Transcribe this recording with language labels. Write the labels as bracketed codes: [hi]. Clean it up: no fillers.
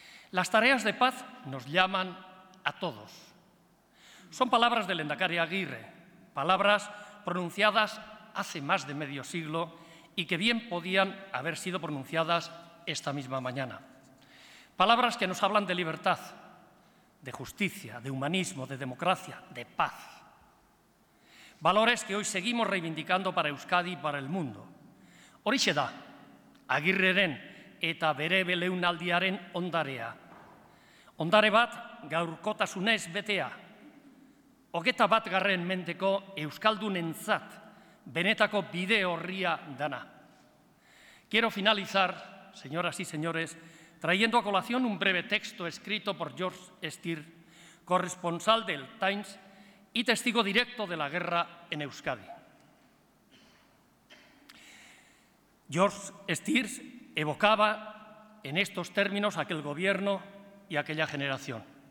[es] Las tareas de paz nos llaman a todos. Son palabras del Lehendakari Aguirre, palabras pronunciadas hace más de medio siglo y que bien podían haber sido pronunciadas esta misma mañana. Palabras que nos hablan de libertad, de justicia, de humanismo, de democracia, de paz. Valores que hoy seguimos reivindicando para Euskadi y para el mundo. [eu] Horixe da, Agirreren eta bere belaunaldiaren ondarea. Ondare bat gaurkotasunez betea. 21. mendeko euskaldunentzat benetako bide orria dana. [es] Quiero finalizar, señoras y señores, trayendo a colación un breve texto escrito por George Stier, corresponsal del Times y testigo directo de la guerra en Euskadi. George Stier evocaba en estos términos aquel gobierno y aquella generación.